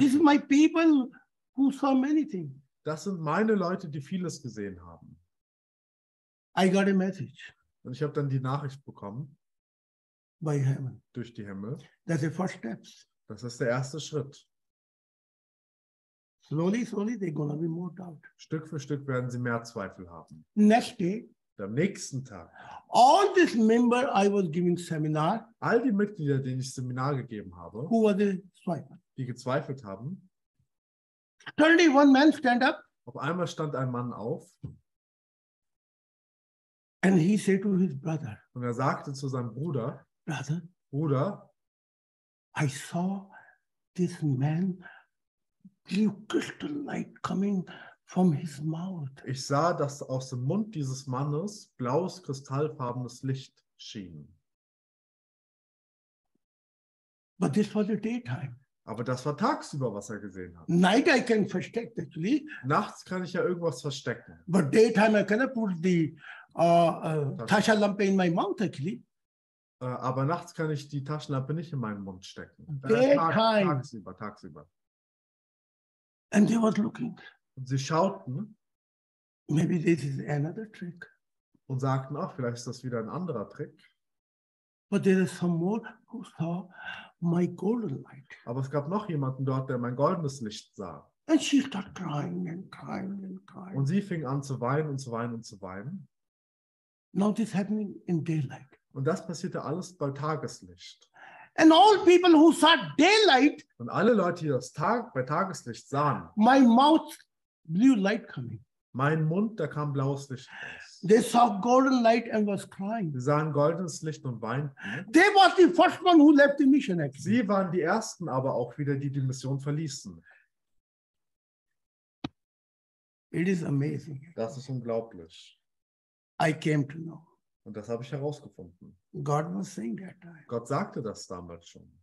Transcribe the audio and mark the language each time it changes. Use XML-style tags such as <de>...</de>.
<en>These are my people who saw many things.</en> <de>Das sind meine Leute, die vieles gesehen haben.</de> <en>I got a message.</en> <de>Und ich habe dann die Nachricht bekommen.</de> <en>By heaven.</en> <de>Durch die Himmel.</de> <en>That's the first steps.</en> <de>Das ist der erste Schritt.</de> <en>Slowly, slowly, they're gonna be more doubt.</en> <de>Stück für Stück werden sie mehr Zweifel haben.</de> <en>Next day.</en> <de>Am nächsten Tag.</de> <en>All this member I was giving seminar.</en> <de>All die Mitglieder, denen ich Seminar gegeben habe.</de> <en>Who were the zweifel?</en> <de>Die gezweifelt haben.</de> <en>Suddenly one man stand up.</en> <de>Auf einmal stand ein Mann auf.</de> <en>And he said to his brother.</en> <de>Und er sagte zu seinem Bruder.</de> <en>Brother.</en> <de>Bruder.</de> <en>I saw this man. Blue crystal light coming from his mouth.</en> <de>Ich sah, dass aus dem Mund dieses Mannes blaues kristallfarbenes Licht schien.</de> <en>But this was the daytime.</en> <de>Aber das war tagsüber, was er gesehen hat.</de> <en>Night I can verstecken, actually.</en> <de>Nachts kann ich ja irgendwas verstecken.</de> <en>But daytime I cannot put the Taschenlampe in my mouth, actually.</en> <de>Aber nachts kann ich die Taschenlampe nicht in meinen Mund stecken.</de> <en>Daytime.</en> <de>Tagsüber.</de> <en>And they were looking.</en> <de>Und sie schauten.</de> <en>Maybe this is another trick.</en> <de>Und sagten, ach, vielleicht ist das wieder ein anderer Trick.</de> <en>But there is some more who saw my golden light.</en> <de>Aber es gab noch jemanden dort, der mein goldenes Licht sah.</de> <en>And she started crying and crying and crying.</en> <de>Und sie fing an zu weinen und zu weinen und zu weinen.</de> <en>Now this happening in daylight.</en> <de>Und das passierte alles bei Tageslicht.</de> <en>And all people who saw daylight.</en> <de>Und alle Leute, die das Tag bei Tageslicht sahen.</de> <en>My mouth, blue light coming.</en> <de>Mein Mund, da kam blaues Licht raus.</de> <en>They saw golden light and was crying.</en> <de>Sie sahen goldenes Licht und weinten.</de> <en>They was the first one who left the mission.</en> <de>Sie waren die ersten, aber auch wieder die Mission verließen.</de> <en>It is amazing.</en> <de>Das ist unglaublich.</de> <en>I came to know.</en> <de>Und das habe ich herausgefunden.</de> <en>God was saying that time.</en> <de>Gott sagte das damals schon.</de>